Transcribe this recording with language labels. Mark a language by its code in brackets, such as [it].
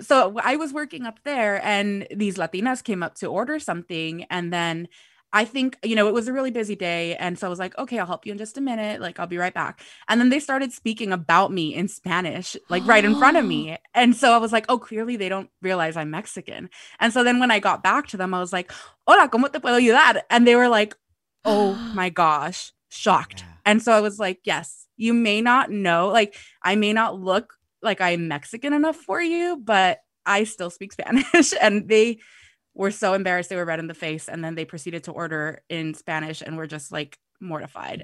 [en] So I was working up there and these Latinas came up to order something. And then I think, you know, it was a really busy day. And so I was like, okay, I'll help you in just a minute. Like, I'll be right back. And then they started speaking about me in Spanish, like right in front of me. And so I was like, oh, clearly they don't realize I'm Mexican. And so then when I got back to them, I was like, [es] hola, ¿cómo te puedo ayudar? [en] And they were like, oh my gosh, shocked. And so I was like, yes, you may not know, like, I may not look like I'm Mexican enough for you, but I still speak Spanish. And they were so embarrassed. They were red in the face. And then they proceeded to order in Spanish and were just like mortified.